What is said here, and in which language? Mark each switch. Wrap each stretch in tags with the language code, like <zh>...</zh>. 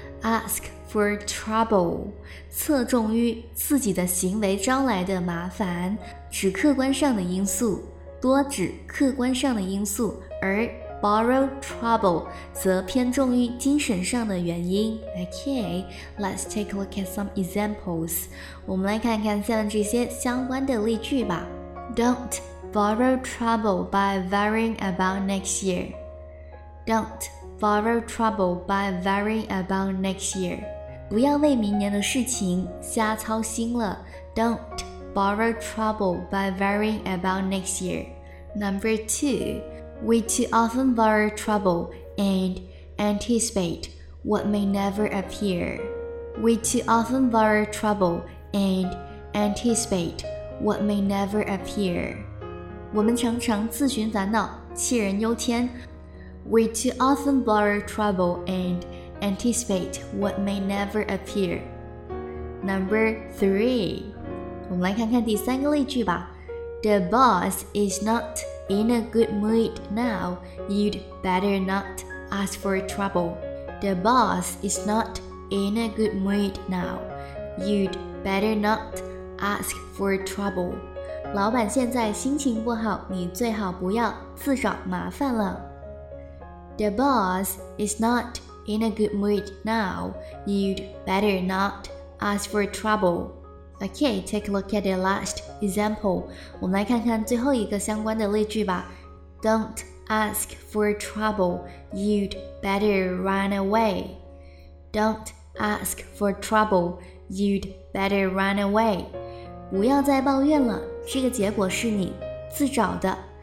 <zh>askFor trouble, 侧重于自己的行为招来的麻烦，指客观上的因素，多指客观上的因素，而 borrow trouble 则偏重于精神上的原因。</zh> <en>Okay, let's take a look at some examples.</en> <zh>我们来看看下面这些相关的例句吧。</zh> <en>Don't borrow trouble by worrying about next year. Don't borrow trouble by worrying about next year.</en> <zh>不要为明年的事情瞎操心了。</zh> <en>Don't borrow trouble by worrying about next year. Number two, we too often borrow trouble and anticipate what may never appear. We too often borrow trouble and anticipate what may never appear.</en> <zh>我们常常自寻烦恼，杞人忧天。</zh> <en>We too often borrow trouble and anticipate what may never appear. Number three.</en> <zh>我们来看看第三个例句吧。</zh> <en>The boss is not in a good mood now. You'd better not ask for trouble. The boss is not in a good mood now. You'd better not ask for trouble.</en> <zh>老板现在心情不好，你最好不要自找麻烦了。</zh> <en>The boss is not in a good mood now. You'd better not ask for trouble. Okay, take a look at the last example.</en> <zh>我们来看看最后一个相关的例句吧。</zh> <en>Don't ask for trouble. You'd better run away. Don't ask for trouble. You'd better run away.</en> <zh>不要再抱怨了，这个结果是你自找的。</zh>